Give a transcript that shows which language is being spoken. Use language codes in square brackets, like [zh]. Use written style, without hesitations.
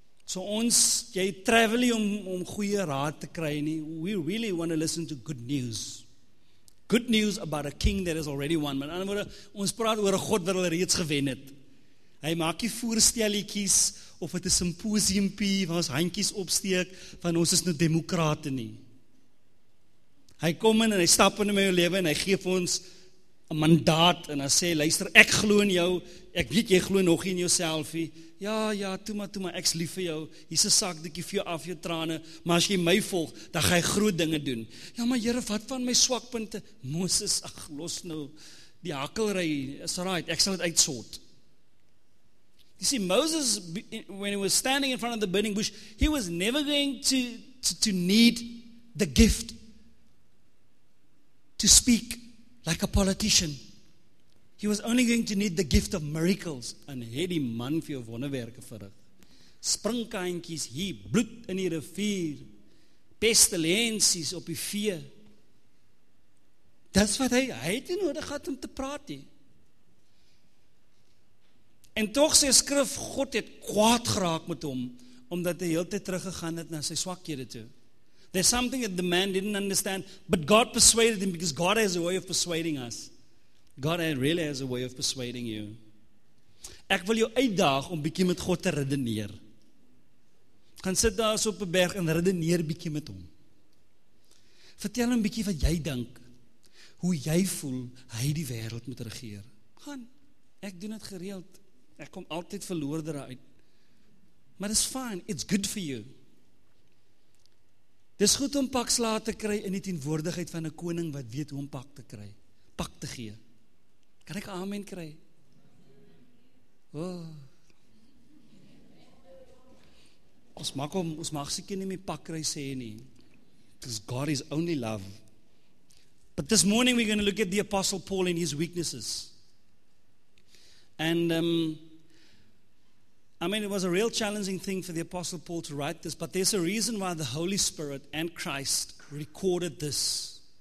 [af] So ons, jy travel nie om goeie raad te kry nie. [en] We really want to listen to good news. Good news about a king that has already won. [af] Maar in ander woorde, ons praat oor 'n God wat al reeds gewen het. Hy maak nie voorstelletjies of het 'n simposiumpie waar ons handjies opsteek van ons is nou demokrate nie. Hy kom in en hy stap in my lewe en hy geef ons 'n mandaat en hy sê, luister, ek glo in jou, ek weet jy glo nog nie in jouself. Ja, toe maar, ek's lief vir jou, hier's 'n sakdoekie vir jou af jou trane, maar as jy my volg, dan ga jy groot dinge doen. Ja, maar Here, wat van my swakpunte? Moses, ag, los nou die hakkelry, is right, ek sal dit uitsort. [en] You see, Moses, when he was standing in front of the burning bush, he was never going to need the gift to speak like a politician. He was only going to need the gift of miracles. [af] En het die man vir jou wonderwerke verrig. Springkaantjies hier, bloed in die rivier, pestilensies op die vee. Dis wat hy het nodig gehad om te praat hier. En toch sy skrif, God het kwaad geraak met hom, omdat hy heel tyd teruggegaan het na sy swakhede toe. [en] There's something that the man didn't understand, but God persuaded him, because God has a way of persuading us. God really has a way of persuading you. [af] Ek wil jou uitdaag om bykie met God te redeneer. Gaan sit daar so op 'n berg en redeneer bykie met hom. Vertel hom bykie wat jy dink, hoe jy voel, hy die wêreld moet regeer. Gaan, ek doen het gereeld. Ek kom altyd verloorder uit. Maar [en] it's fine, it's good for you. [af] Dis goed om pak sla te kry in die teenwoordigheid van 'n koning wat weet hoe om pak te kry, pak te gee. Kan ek amen kry? Oh. Ons mag seker nie meer pak kry sê nie. [en] Because God is only love. But this morning we're going to look at the Apostle Paul and his weaknesses. And I mean, it was a real challenging thing for the Apostle Paul to write this, but there's a reason why the Holy Spirit and Christ recorded this.